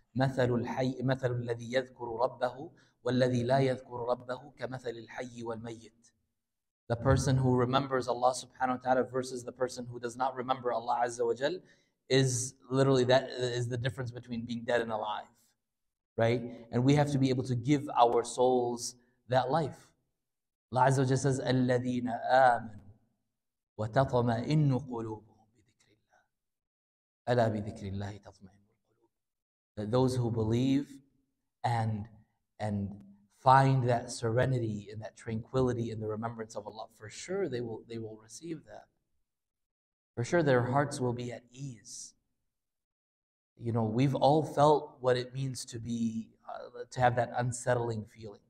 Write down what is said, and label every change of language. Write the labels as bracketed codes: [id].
[ar] مَثَلُ الَّذِي يَذْكُرُ رَبَّهُ وَالَّذِي لَا يَذْكُرُ رَبَّهُ كَمَثَلِ الْحَيِّ وَالْمَيِّتِ. [en] The person who remembers Allah subhanahu wa ta'ala versus the person who does not remember Allah azza wa jal is literally that is the difference between being dead and alive, right? And we have to be able to give our souls that life. Allah azza wa jal says, [ar] الَّذِينَ آمَنُوا وَتَطْمَئِنُّ قُلُوبُهُمْ بِذِكْرِ اللَّهِ أَلَا بِذِكْرِ اللَّهِ تَطْمَئِنُّ الْقُلُوبُ. [en] That those who believe and find that serenity and that tranquility in the remembrance of Allah, for sure they will receive that. For sure their hearts will be at ease. You know, we've all felt what it means to be to have that unsettling feeling.